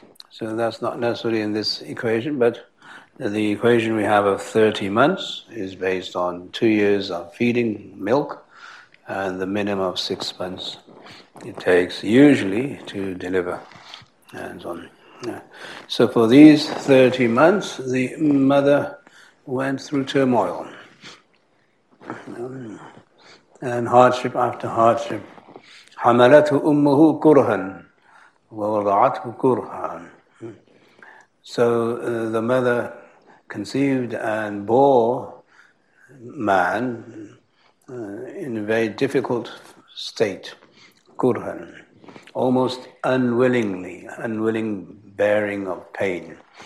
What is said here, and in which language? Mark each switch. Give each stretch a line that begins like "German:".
English: So that's not necessarily in this equation, but the equation we have of 30 months is based on 2 years of feeding milk and the minimum of 6 months it takes usually to deliver, and so on. So for these 30 months, the mother went through turmoil and hardship after hardship.
Arabic: حَمَلَتْهُ أُمُّهُ كُرْهًا وَوَضَعَتْهُ كُرْهًا.
English: So the mother conceived and bore man in a very difficult state, kurhan, almost unwillingly, unwilling bearing of pain.